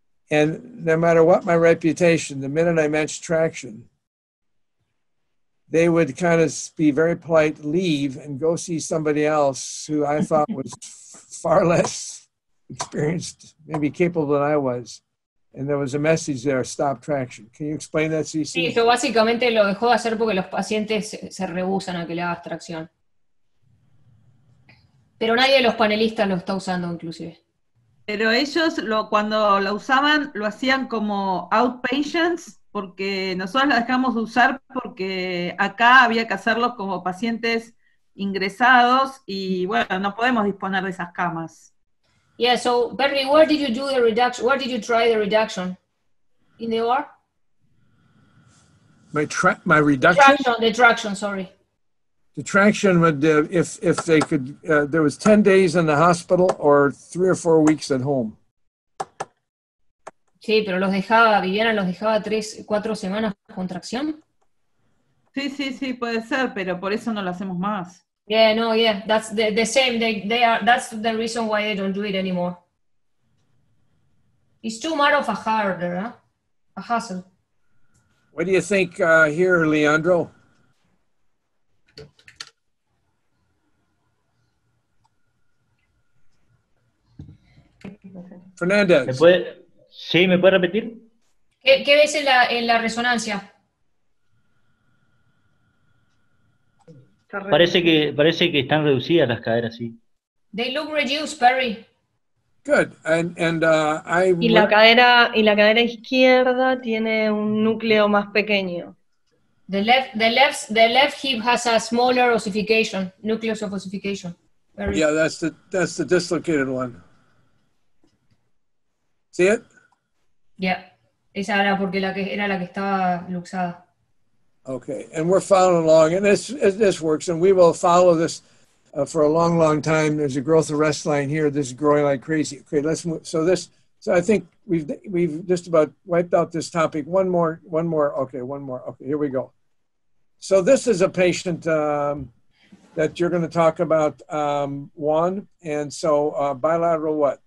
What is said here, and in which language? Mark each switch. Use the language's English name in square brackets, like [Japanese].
[English] And no matter what my reputation, the minute I mentioned traction, they would kind of be very polite, leave and go see somebody else who I thought was far less experienced, maybe capable than I was. And there was a message there, stop traction. Can you explain that, Cici? [Spanish] Sí, so básicamente lo dejó de hacer porque los pacientes se rehusan a que le hagas tracción. Pero nadie de los panelistas lo está usando, inclusive. Pero ellos, cuando lo usaban, lo hacían como outpatients, porque nosotros lo dejamos de usar porque acá había que hacerlo como pacientes ingresados y, bueno, no podemos disponer de esas camas. [English] Yeah, so Perry, where did you do the reduction? Where did you try the reduction? In the OR? My reduction? The traction, would if they could, there was 10 days in the hospital or 3 or 4 weeks at home. [Spanish] Sí, pero los dejaba, Viviana los dejaba 3-4 semanas con tracción. Sí, puede ser, pero por eso no lo hacemos más. [English] Yeah, no, yeah, that's the same. They are. That's the reason why they don't do it anymore. It's too much of a harder, huh? A hassle. What do you think here, Leandro? Fernandez. [Spanish] ¿Me puede repetir? ¿Qué ves en la resonancia? Parece que están reducidas las caderas, sí. [English] They look reduced, Perry. Good. And [Spanish] la cadera izquierda tiene un núcleo más pequeño. [English] The left hip has a smaller ossification, nucleus of ossification. Perry. Yeah, that's the dislocated one. See it? Yeah. [Spanish] Esa era porque era la que estaba luxada. [English] Okay, and we're following along, and this works, and we will follow this for a long, long time. There's a growth arrest line here. This is growing like crazy. Okay, let's move. So I think we've just about wiped out this topic. One more. Okay, here we go. So this is a patient that you're going to talk about, Juan, and so bilateral what?